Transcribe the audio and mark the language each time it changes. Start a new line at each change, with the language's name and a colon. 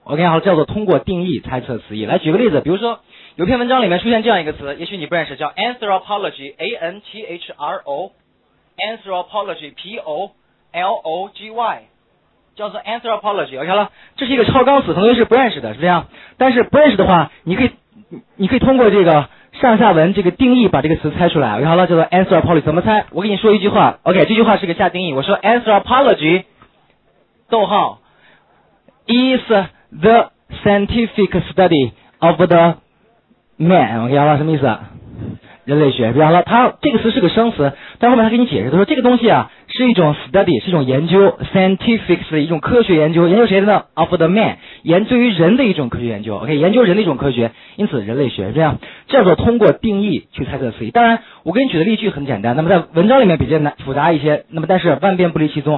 Chinese: OK， 好了，叫做通过定义猜测词义。来举个例子，比如说有篇文章里面出现这样一个词，也许你不认识，叫 anthropology， A-N-T-H-R-O anthropology， P-O-L-O-G-Y， 叫做 anthropology。 OK， 好了，这是一个超纲词，很多人是不认识的，是这样。但是不认识的话，你可以通过这个上下文这个定义把这个词猜出来。 OK， 好了，叫做 anthropology。 怎么猜？我给你说一句话。 OK， 这句话是个下定义，我说 anthropology 逗号
English: is the scientific study of the man。
Chinese: OK， 好了，什么意思？人类学。 OK， 好了，它这个词是个生词，但后面他给你解释，他说这个东西啊是一种 study， 是一种研究， scientific 是一种科学研究，研究谁的呢？
English: of the man，
Chinese: 研究于人的一种科学研究。OK， 研究人的一种科学，因此人类学。这样叫做通过定义去猜测词义。当然我给你举的例句很简单，那么在文章里面比较难复杂一些，那么但是万变不离其宗。